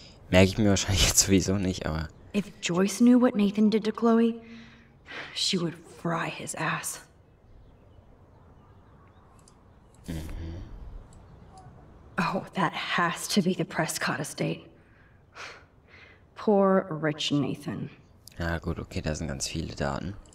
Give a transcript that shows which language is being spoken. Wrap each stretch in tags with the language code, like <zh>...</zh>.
<de>Merke ich mir wahrscheinlich jetzt sowieso nicht, aber...</de> <en>If Joyce knew what Nathan did to Chloe, she would fry his ass. Oh, that has to be the Prescott estate. Poor, rich Nathan.</en> <de>Ja gut, okay, da sind ganz viele Daten.</de>